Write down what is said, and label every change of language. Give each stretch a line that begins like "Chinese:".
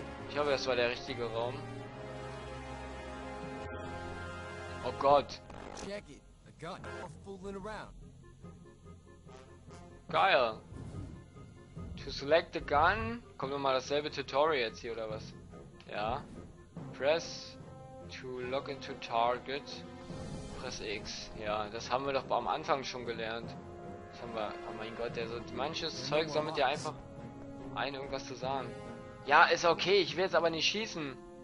German: Ich hoffe, das war der richtige Raum. Oh Gott.
English: Check it. A gun. We're fooling around. Geil. To select the gun.
German: Kommt nochmal dasselbe Tutorial jetzt hier oder was? Ja.
English: Press to lock into target. Press X.
German: Ja, das haben wir doch am Anfang schon gelernt. Das haben wir. Oh mein Gott, der so. Manches Zeug sammelt ja einfach ein, irgendwas zu sagen. Ja, ist okay. Ich will jetzt aber nicht schießen.